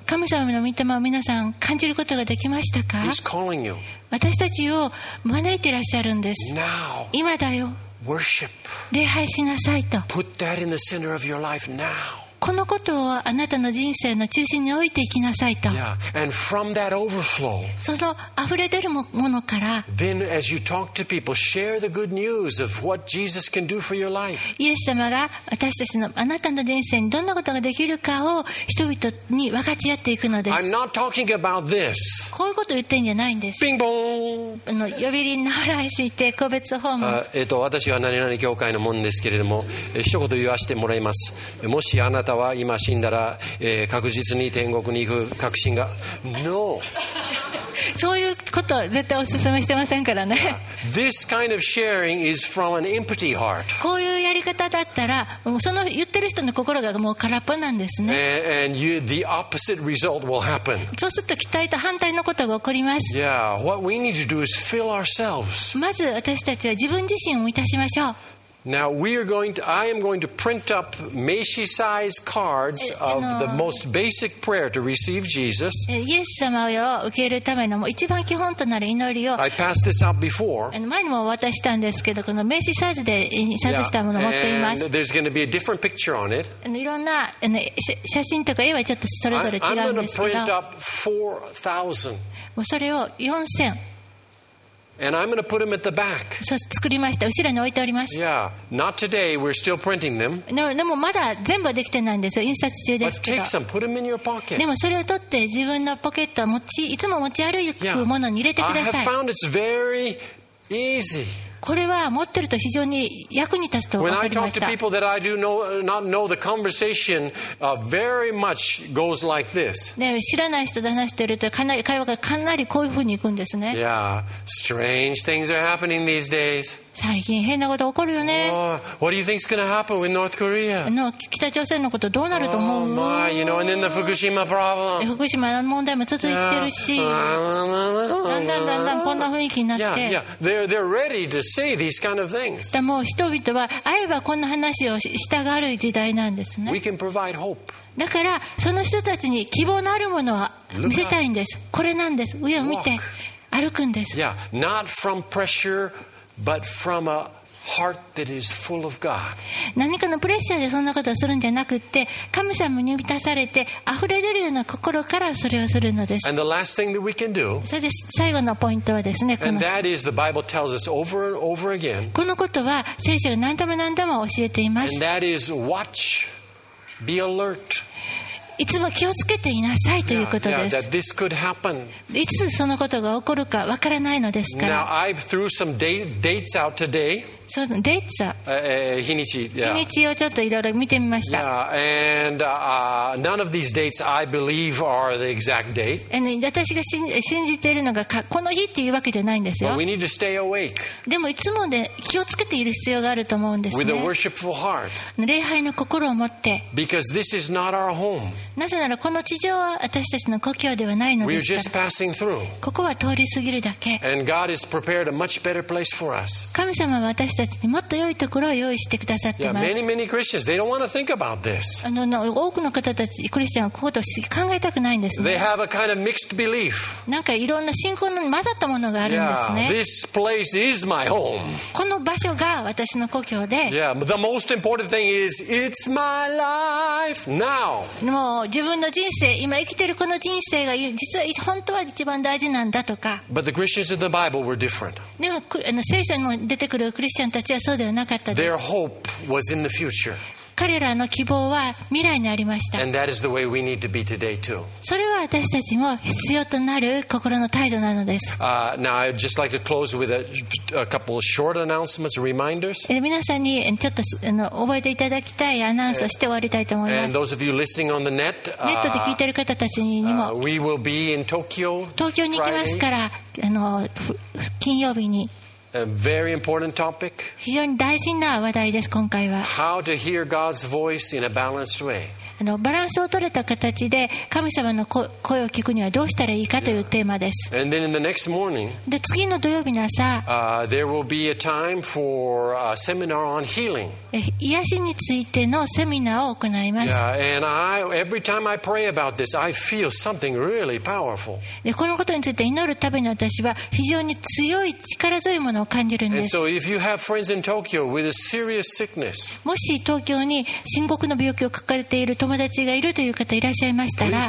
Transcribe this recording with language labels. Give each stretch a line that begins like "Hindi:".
Japanese: 神様の御霊を皆さん感じることができましたか？
English: He's calling you.
Japanese: 私たちを招いていらっしゃるんです。
English: Now.
Japanese: 今だよ。
English: Worship.
Japanese: 礼拝しなさいと。
English: Put that in the center of your life now.
Japanese: このことをあなたの人生の中心に置いていきなさいと。
English: Yeah. And from that overflow.
Japanese: その溢れ出るものから。
English: Then as you talk to people, share the good news of what Jesus can do for your life.
Japanese: イエス様が私たちのあなたの人生にどんなことができるかを人々に分かち合っていくのです。
English: I'm not talking about this.
Japanese: こういうことを言ってんじゃないんです。ピンポン。呼び鈴鳴らしいて個別訪問。私は何々教会のもんですけれども、一言言わせてもらいます。もしあなたは今死んだら、確実に天国に行く確信が
English: No.
Japanese: そういうことは絶対お勧めしてませんからね。
English: This kind of sharing is from an empty heart.
Japanese: こういうやり方だったらその言ってる人の心がもう空っぽなんですね。
English: And you, the opposite result will happen.
Japanese: そうすると期待と反対のことが起こります。
English: Yeah. What we need to do is fill ourselves.
Japanese: まず私たちは自分自身を満たしましょう。
English: Now we are going to. I am going to print up Meishi-sized cards of the most basic prayer to receive Jesus.
Japanese: イエス様を受け入れるためのもう一番基本となる祈りを。
English: I passed this out before.
Japanese: 前にも渡したんですけど、この名刺サイズで印刷したものを持っています。
English: Yeah. And there's going to be a different picture on it.
Japanese: いろんな写真とか絵はちょっとそれぞれ違うんですけど。
English: I'm going to print up 4,000.
Japanese: もうそれを4,000。 And I'm going to put them at the back. そう作りました。後ろに置いております。
English: Yeah, not today. We're still printing them.
Japanese: でもまだ全部はできてないんですよ。印刷中ですけど。
English: But take some. Put them in your pocket.
Japanese: でもそれを取って自分のポケットを持ちいつも持ち歩くものに入れてください。
English: Yeah. I have found it's very easy.
Japanese: これは持ってると非常に役に立つと分かりました。
English: When I talk to people that I do know, not know, the conversation very much goes like this.
Japanese: 知らない人と話していると会話がかなりこういうふうにいくんですね。
English: Yeah, strange things are happening these days.
Japanese: 最近変なこと起こるよね。
English: What do you think is going to happen with North Korea?
Japanese: 北朝鮮のことどうなると思う?
English: Oh my, you know, and then the Fukushima problem.
Japanese: 福島の問題も続いてるし、だんだんだんだんこんな雰囲気になって。
English: Yeah, yeah, they're ready to say these kind of things.
Japanese: でも人々は会えばこんな話をしたがる時代なんですね。
English: We can provide hope.
Japanese: だからその人たちに希望のあるものを見せたいんです。これなんです。上を見て歩くんです。
English: Yeah, not from pressure, but from a heart that is full of God.
Japanese: 何かのプレッシャーでそんなことをするんじゃなくて、神様に満たされて溢れ出るような心からそれをするのです。
English: And the last thing that we can do.
Japanese: それで最後のポイントはですね、この。
English: And that is the Bible tells us over and over again.
Japanese: このことは聖書が何度も何度も教えています。
English: And that is watch. Be alert.
Japanese: いつも気をつけていなさいということです。
English: yeah, that this could happen.
Japanese: いつそのことが起こるかわからないのですから。
English: Now, I threw some dates out today.
Japanese: そのデーツ、日にち、yeah. 日にちをちょっといろいろ見てみました。
English: yeah, and, none of these dates I believe are the exact date.
Japanese: 私が信じているのがこの日っていうわけじゃないんですよ。
English: But we need to stay awake.
Japanese: でもいつも、ね、気をつけている必要があると思うんですね。
English: With a worshipful heart.
Japanese: 礼拝の心を持って。
English: Because this is not our home.
Japanese: なぜならこの地上は私たちの故郷ではないのですから。
English: We're just passing through.
Japanese: ここは通り過ぎるだけ。
English: And God has prepared a much better place for us.
Japanese: 神様は私たちにもっと良いところを用意してくださっています。
English: Yeah, many, many Christians, they don't want to think about this.
Japanese: 多くの方たち、クリスチャンはこういうことを考えたくないんですね。
English: They have a kind of mixed belief.
Japanese: なんかいろんな信仰の混ざったものがあるんですね。
English: Yeah, this place is my home.
Japanese: この場所が私の故郷で。
English: Yeah, the most important thing is, it's my life now.
Japanese: もう自分の人生、今生きているこの人生が実は本当は一番大事なんだとか。
English: But the Christians in the Bible were different.
Japanese: でも聖書に出てくるクリスチャンたちはそうではなかったです。
English: Their hope was in the future.
Japanese: 彼らの希望は未来にありました。
English: And that is the way we need to be today too.
Japanese: それは私たちも必要となる心の態度なのです。
English: Now I'd just like to close with a couple of short announcements, reminders.
Japanese: 皆さんにちょっと覚えていただきたいアナウンスをして終わりたいと思います。
English: And those of you listening on the net,
Japanese: ネットで聞いている方たちにも、
English: we will be in Tokyo Friday.
Japanese: 東京に行きますから、金曜日に。
English: A very important topic.
Japanese: 非常に大事な話題です、今回は。
English: How to hear God's voice in a balanced way.
Japanese: バランスを取れた形で神様の声を聞くにはどうしたらいいかというテーマです。
English: Yeah. And then in the next morning,
Japanese: で次の土曜日の朝、
English: there will be a time for a seminar on healing.
Japanese: 癒しについてのセミナーを行います。
English: Yeah. And I, every time I pray about this, I feel something really powerful.
Japanese: でこのことについて祈るたびに私は非常に強い力強いものを感じるんです。
English: And so if you have friends in Tokyo with a serious sickness,
Japanese: もし東京に深刻な病気を抱えている友達がいるという方いらっしゃいましたら、